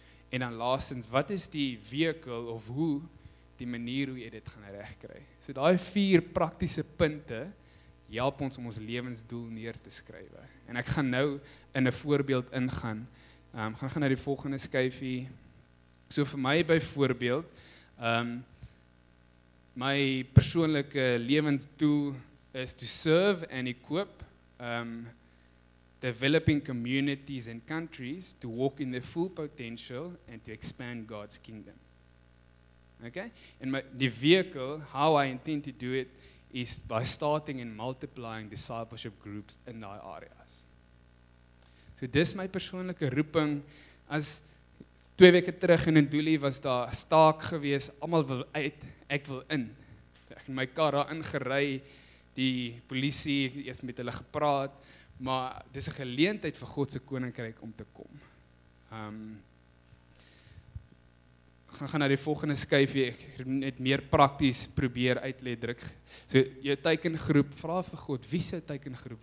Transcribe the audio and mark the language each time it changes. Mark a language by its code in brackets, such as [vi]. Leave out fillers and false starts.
[af] En dan laastens, wat is die vehicle of hoe die manier hoe jy dit gaan regkry? So daai vier praktiese punte help ons om ons lewensdoel neer te skryf. En ek gaan nou in 'n voorbeeld ingaan. Gaan na die volgende skyfie. So vir my byvoorbeeld, my persoonlike lewensdoel is [en] to serve and equip developing communities and countries to walk in their full potential and to expand God's kingdom. Okay? And my the vehicle, how I intend to do it, is by starting and multiplying discipleship groups in thy areas. [af] So dis my persoonlike roeping. As 2 weke terug in Ndoeli was daar staak gewees, almal wil uit, ek wil in. Ek in my kar daar ingery, die polisie eers met hulle gepraat, maar dis 'n geleentheid vir God se koninkryk om te kom. Gaan na die volgende skyfie, ek net meer prakties probeer uitlei druk. So jou tekengroep, vra vir God, wie se tekengroep?